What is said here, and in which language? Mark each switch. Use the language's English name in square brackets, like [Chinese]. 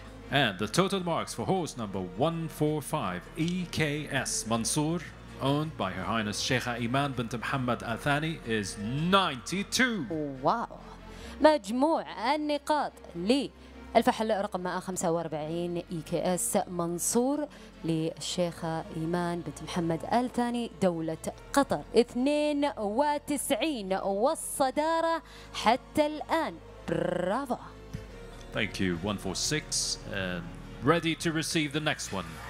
[English] And the total marks for horse number 145 EKS Mansour, owned by Her Highness Sheikha Iman bint Muhammad Al Thani, is 92. واو. [Arabic] مجموع النقاط للفحل رقم 145 EKS منصور للشيخة إيمان بنت محمد آل ثاني دولة قطر 92 والصدارة حتى الآن. برافو. [English] Thank you 146 and ready to receive the next one.